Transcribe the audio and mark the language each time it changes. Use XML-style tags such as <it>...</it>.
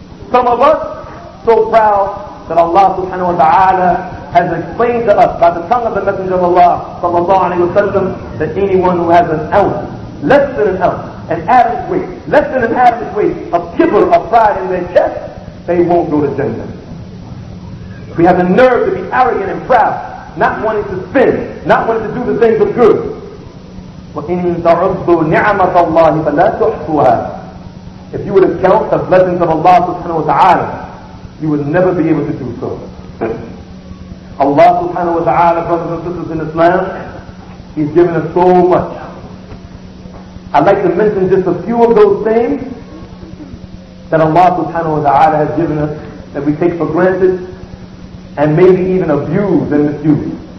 <en>Some of us so proud that Allah subhanahu wa ta'ala has explained to us by the tongue of the Messenger of Allah sallallahu alayhi wa sallam that anyone who has an ounce, less than an ounce, an atom's weight, less than an atom's weight of kibr, of pride in their chest, they won't go to Jannah. We have the nerve to be arrogant and proud, not wanting to spend, not wanting to do the things of good.</en> <ar>وإن تعدوا نعمة الله فلا تحصوها.</ar> <en>If you would count the blessings of Allah subhanahu wa ta'ala, you would never be able to do so. Allah subhanahu wa ta'ala, brothers and sisters in Islam, He's given us so much. I'd like to mention just a few of those things that Allah subhanahu wa ta'ala has given us that we take for granted and maybe even abuse and misuse.</en>